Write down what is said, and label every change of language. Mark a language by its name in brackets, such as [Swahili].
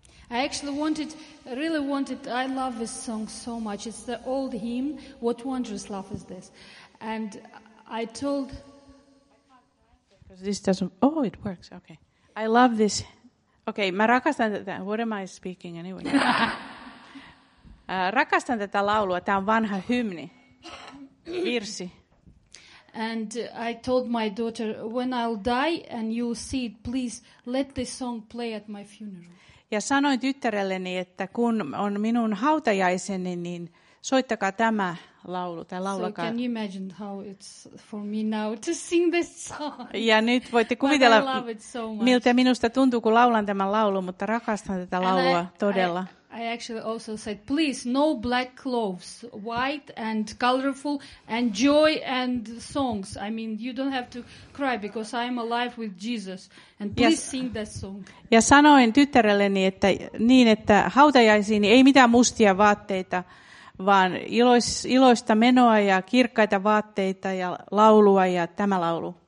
[English] I actually really wanted. I love this song so much. It's the old hymn. "What Wondrous Love Is This," and I told. This doesn't. Oh, it works. Okay, I love this. Okay, [Finnish] mä rakastan tätä. [English] What am I speaking anyway? [Finnish] rakastan tätä laulua. Tämä on vanha hymni, virsi. [English] And I told my daughter, when I'll die and you see it, please let this song play at my funeral. [Finnish] Ja sanoin tyttärelleni, että kun on minun hautajaiseni, niin soittakaa tämä. Laulu, tai laulakaa. [English] So can you imagine how it's for me now to sing this song? [Finnish] Ja nyt voitte kuvitella, miltä minusta tuntuu, kun laulan tämän laulun, mutta rakastan tätä laulua todella. [English] I actually also said, please, no black clothes, white and colorful, and joy and songs. I mean, you don't have to cry because I'm alive with Jesus. And please sing that song. [Finnish] Ja sanoin tyttärelleni, että niin, että hautajaisiin ei mitään mustia vaatteita, vaan iloista menoa ja kirkkaita vaatteita ja laulua ja tämä laulu.